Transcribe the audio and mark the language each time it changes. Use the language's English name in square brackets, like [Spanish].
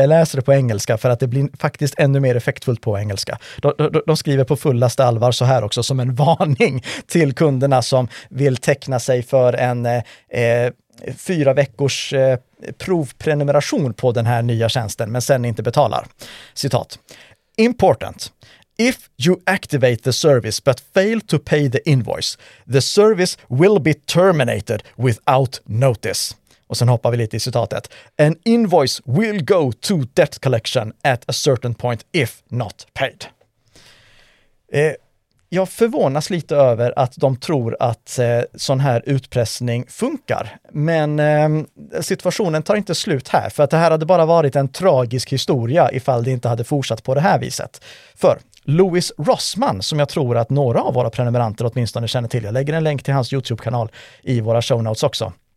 [Swedish] Jag läser det på engelska för att det blir faktiskt ännu mer effektfullt på engelska. De skriver på fullaste allvar så här också, som en varning till kunderna som vill teckna sig för en 4 veckors provprenumeration på den här nya tjänsten men sen inte betalar. [English] Citat. Important. If you activate the service but fail to pay the invoice, the service will be terminated without notice. [Swedish] Och sen hoppar vi lite i citatet. [English] An invoice will go to debt collection at a certain point if not paid. [Swedish] Jag förvånas lite över att de tror att sån här utpressning funkar. Men situationen tar inte slut här. För att det här hade bara varit en tragisk historia ifall det inte hade fortsatt på det här viset. För Louis Rossman, som jag tror att några av våra prenumeranter åtminstone känner till. Jag lägger en länk till hans YouTube-kanal i våra show notes också.